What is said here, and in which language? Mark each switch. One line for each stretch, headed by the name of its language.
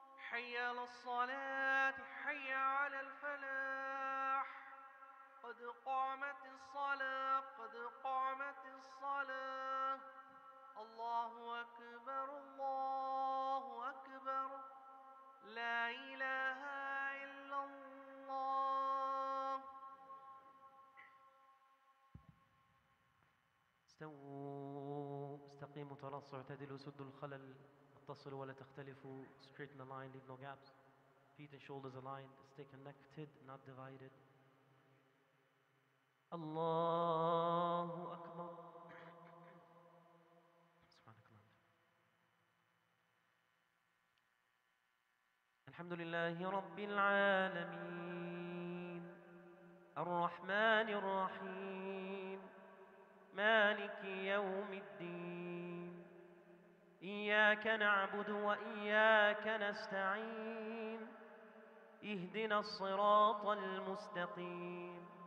Arabic: حي على الصلاة حي على الفلاح قد قامت الصلاة قد قامت الصلاة الله أكبر الله أكبر لا إله إلا الله استووا استقيموا تلصوا اعتدلوا سدوا الخلل اتصلوا ولا تختلفوا
English: straighten the line, leave no gaps, feet and shoulders aligned, stay connected, not divided.
Arabic: الله أكبر الحمد لله رب العالمين الرحمن الرحيم مالك يوم الدين إياك نعبد وإياك نستعين اهدنا الصراط المستقيم